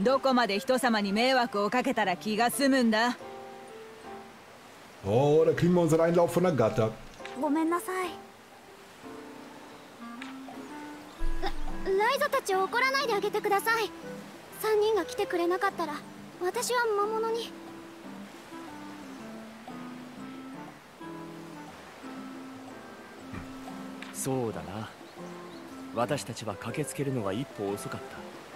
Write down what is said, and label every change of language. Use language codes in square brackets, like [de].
[ja] どこまで人様に迷惑をかけたら気が済むんだ? [de] Oh, da kriegen wir unseren Einlauf von der Gatter. [ja] ごめんなさい. ライザたちを怒らないであげてください.3人が来てくれなかったら私は魔物に. そうだな。私たちは駆けつけるのが一歩遅かった.